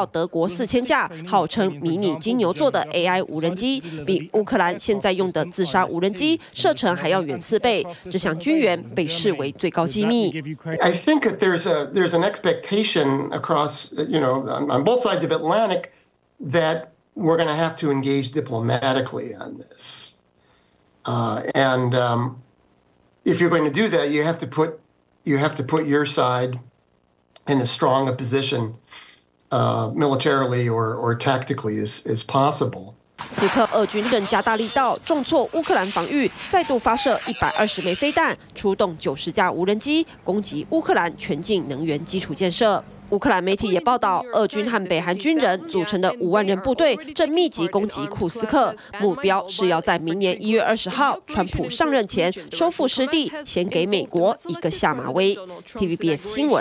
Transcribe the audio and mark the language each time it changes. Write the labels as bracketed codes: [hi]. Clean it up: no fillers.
[zh] 美国开绿灯后，其他盟友可能也会陆续跟进，像是至今还不愿意援助金牛座飞弹的德国。当地媒体报道，乌克兰几周内就会收到德国4000架号称迷你金牛座的 AI 无人机，比乌克兰现在用的自杀无人机射程还要远4倍。这项军援被视为最高机密。I [en] think that there's an expectation across, you know, on both sides of Atlantic that we're going to have to engage diplomatically on this. If you're going to do that, you have to put your side in as strong a position militarily or tactically as possible. [zh] 此刻，俄军更加大力道，重挫乌克兰防御，再度发射120枚飞弹，出动90架无人机，攻击乌克兰全境能源基础建设。乌克兰媒体也报道，俄军和北韩军人组成的50000人部队正密集库斯克，目标是要在明年1月20号川普上任前收复失地，先给美国一个下马威。TVBS